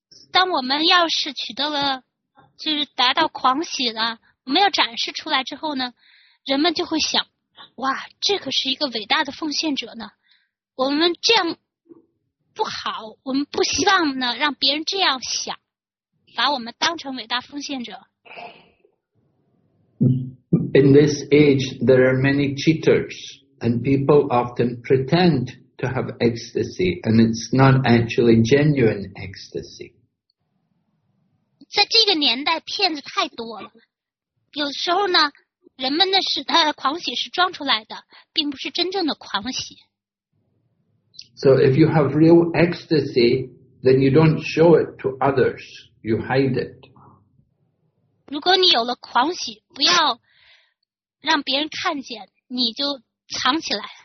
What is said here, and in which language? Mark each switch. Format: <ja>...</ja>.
<zh>当我们要是取得了，就是达到狂喜了，我们要展示出来之后呢，人们就会想，哇，这可是一个伟大的奉献者呢，我们这样不好，我们不希望呢让别人这样想，把我们当成伟大奉献者。</zh> <en>In this age, there are many cheaters, and people often pretend to have ecstasy, and it's not actually genuine ecstasy.</en> <zh>在这个年代，骗子太多了，有时候呢人们的狂喜是装出来的，并不是真正的狂喜。</zh> <en>So if you have real ecstasy, then you don't show it to others. You hide it.</en> <zh>如果你有了狂喜，不要让别人看见，你就藏起来。</zh>